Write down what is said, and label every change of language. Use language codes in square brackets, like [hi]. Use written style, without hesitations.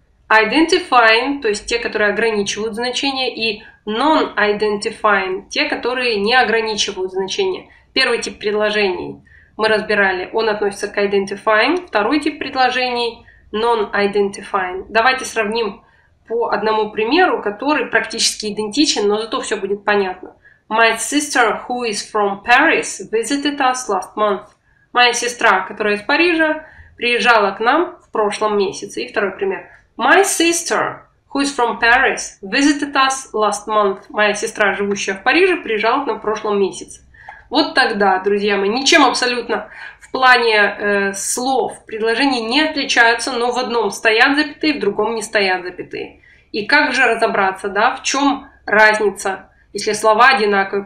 [ru] Identifying, то есть те, которые ограничивают значение, и non-identifying, те, которые не ограничивают значение. Первый тип предложений мы разбирали, он относится к identifying. Второй тип предложений – non-identifying. Давайте сравним по одному примеру, который практически идентичен, но зато все будет понятно. [en] My sister, who is from Paris, visited us last month. [ru] Моя сестра, которая из Парижа, приезжала к нам в прошлом месяце. И второй пример. [en] My sister, who is from Paris, visited us last month. [ru] Моя сестра, живущая в Париже, приезжала к нам в прошлом месяце. Вот тогда, друзья мои, ничем абсолютно в плане слов предложений не отличаются, но в одном стоят запятые, в другом не стоят запятые. И как же разобраться, да, в чем разница, если слова одинаковые?